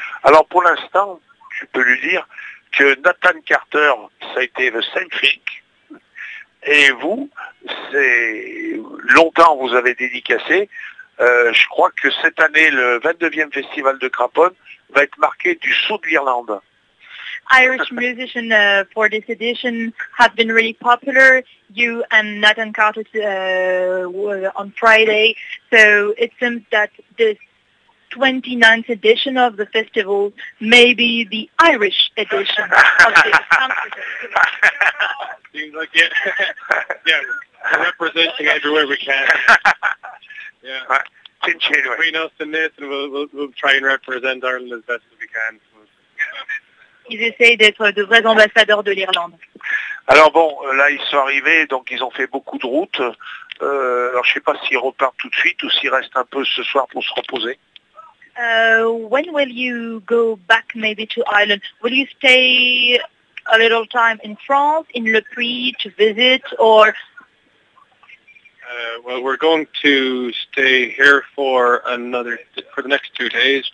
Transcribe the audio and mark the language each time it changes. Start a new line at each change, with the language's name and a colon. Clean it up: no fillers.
French: Alors pour l'instant, je peux lui dire que Nathan Carter, ça a été le Saint-Fric. Et vous, c'est longtemps vous avez dédicacé. Je crois que cette année, le 22e festival de Craponne va être marqué du saut de l'Irlande.
English: Irish musician for this edition have been really popular. You and Nathan Carter on Friday. So it seems that this 29th edition of the festival may be the Irish edition of the concert. Seems like it. Yeah, we're representing everywhere we can. Yeah. Right. Between us and this, and we'll try and represent Ireland as best as we can.
French: Ils essayent d'être de vrais ambassadeurs de l'Irlande. Alors bon, là ils sont arrivés, donc ils ont fait beaucoup de routes. Alors je ne sais pas s'ils repartent tout de suite ou s'ils restent un peu ce soir pour se reposer.
English: When will you go back maybe to Ireland? Will you stay a little time in France, in Le Puy, to visit, or...? Well, we're going to stay here for for the next 2 days.